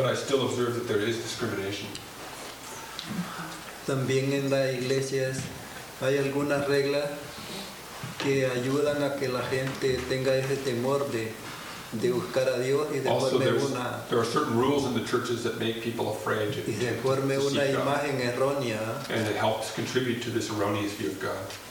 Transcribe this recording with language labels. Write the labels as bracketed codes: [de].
[en] But I still observe that there is discrimination. [es] También en las iglesias hay algunas reglas que ayudan a que la gente tenga ese temor de buscar a Dios y de formar una. [en] Also, there are certain rules in the churches that make people afraid to seek God. [es] Y de formar una imagen errónea. [en] And it helps contribute to this erroneous view of God.